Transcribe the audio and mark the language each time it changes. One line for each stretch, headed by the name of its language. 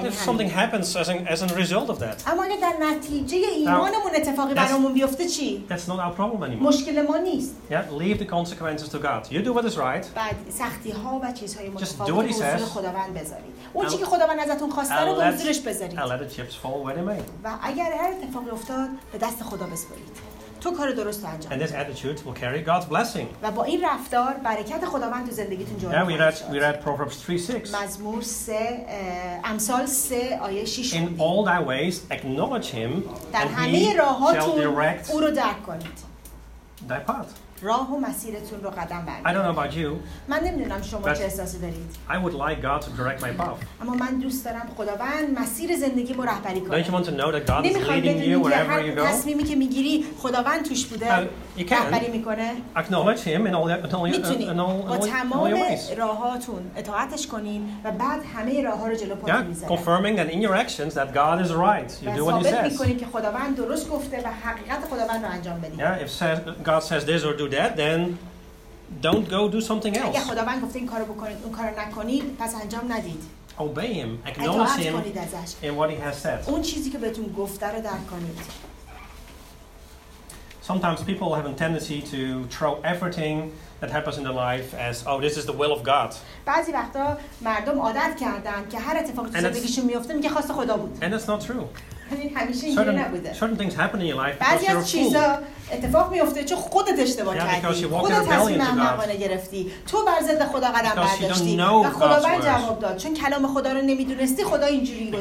English: What if something happens as a result of that?
Persian: اما اگه در نتیجه ایمانمون اتفاقی برامون بیفته چی؟
English: That's not our problem anymore.
Persian: مشکل ما نیست.
English: Yeah, leave the consequences to God. You do what is right.
Persian: بعد سختی ها و چیزهای متفاوت
English: Just do what he says.
Persian: خداوند بذارید. اون چیزی که خداوند ازتون خواسته رو به حضورش بذارید.
English: And let the chips fall where they may.
Persian: و اگر هر اتفاقی افتاد به دست خدا بسپارید. تو کار درست انجام.
English: And this attitude will carry God's blessing.
Persian: و با این رفتار برکت خداوند تو زندگیتون جاری.
English: Yeah, we read Proverbs 3:6.
Persian: مزمور 3 امثال 3 آیه 6.
English: In all thy ways acknowledge him and he shall direct
Persian: او رو درک کنید.
English: Thy path.
Persian: راه و مسیرتون رو قدم بردارید.
English: I don't know about you.
Persian: من نمیدونم شما چه احساسی دارید.
English: I would like God to direct my path.
Persian: اما من دوست دارم خداوند مسیر زندگی رو رهبری کنه.
English: Don't you want to know that God is leading you wherever you go?
Persian: تصمیمی که میگیری خداوند توش بوده.
English: You can.
Persian: رهبری میکنه.
English: Acknowledge him in all your ways.
Persian: میتونید با تمام راهاتون اطاعتش کنین و بعد همه راه‌ها رو جلو پاتون بذارید.
English: Yeah, confirming that in your actions that God is right. You do what he says.
Persian: ثابت میکنید که خداوند درست گفته و حقیقت خداوند رو انجام بدید.
English: Yeah, if God says this or that then don't go do something else.
Persian: اگه خداوند گفته این کارو بکنید اون کارو نکنید پس انجام ندید.
English: Obey him. Acknowledge him in what he has said.
Persian: اون چیزی که بهتون گفته رو درک کنید.
English: Sometimes people have a tendency to throw everything that happens in their life as oh this is the will of God.
Persian: بعضی وقتا مردم عادت کردن که هر اتفاقی تو زندگیشون میفته میگه خواست خدا بود.
English: And it's not true. certain things happen in your life because you're a fool.
Persian: اتفاق میفته چون خودت اشتباه کردی، خودت تصمیم احمقانه گرفتی، تو بر ضد خدا قدم برداشتی و خداوند جواب داد، چون کلام خدا رو نمیدونستی خدا اینجوری رو